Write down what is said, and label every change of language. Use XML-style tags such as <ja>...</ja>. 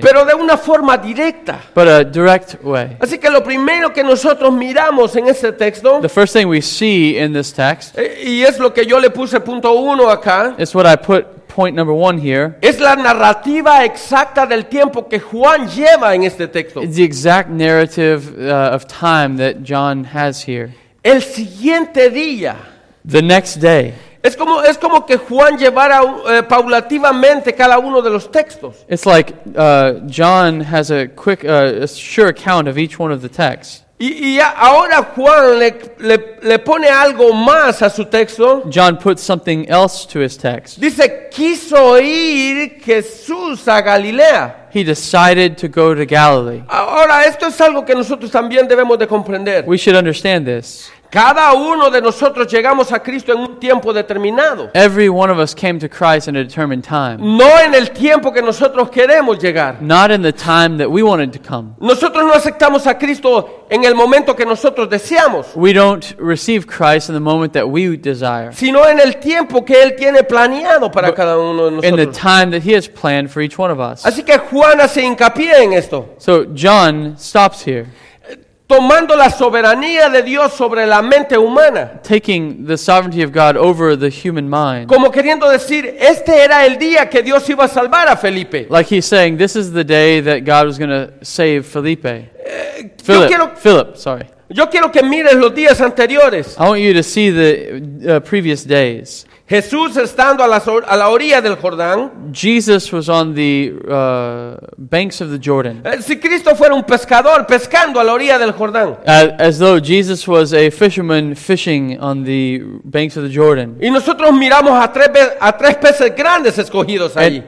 <es>Pero de una forma directa.</es> <en>But a direct way.</en> <es>Así que lo primero que nosotros miramos en este texto.</es> <en>The first thing we see in this text.</en> <es>Y es lo que yo le puse punto uno acá.</es> <en>It's what I put point number one here.</en> <es>Es la narrativa exacta del tiempo que Juan lleva en este texto.</es> <en>It's the exact narrative of time that John has here.</en> <es>El siguiente día.</es> <en>The next day.</en> <es>Es como que Juan llevara paulativamente cada uno de los textos.</es> <en>It's like John has a quick, a sure account of each one of the texts.</en> <es>Y ahora Juan le pone algo más a su texto.</es> <en>John puts something else to his text.</en> <es>Dice, quiso ir Jesús a Galilea.</es> <en>He decided to go to Galilee.</en> <es>Ahora, esto es algo que nosotros también debemos de comprender.</es> <en>We should understand this.</en> <es>Cada uno de nosotros llegamos a Cristo en un tiempo determinado.</es> <en>Every one of us came to Christ in a determined time.</en> <es>No en el tiempo que nosotros queremos llegar.</es> <en>Not in the time that we wanted to come.</en> <es>Nosotros no aceptamos a Cristo en el momento que nosotros deseamos.</es> <en>We don't receive Christ in the moment that we desire.</en> <es>Sino en el tiempo que Él tiene planeado para cada uno de nosotros.</es> <en>In the time that He has planned for each one of us.</en> <es>Así que Juan hace hincapié en esto.</es> <en>So John stops here.</en> <es>Tomando la soberanía de Dios sobre la mente humana.</es> <en>Taking the sovereignty of God over the human mind.</en> <es>Como queriendo decir, este era el día que Dios iba a salvar a Felipe.</es> <en>Like he's saying, this is the day that God was going to save Felipe. Philip.</en> <es>Yo quiero que mires los días anteriores.</es> <en>I want you to see the previous days.</en> <es>Jesús estando a la orilla del Jordán.</es> <en>Jesus was on the banks of the Jordan.</en> <es>Si Cristo fuera un pescador pescando a la orilla del Jordán.</es> <en>As though Jesus was a fisherman fishing on the banks of the Jordan.</en> <es>Y nosotros miramos a tres peces grandes escogidos allí.</es>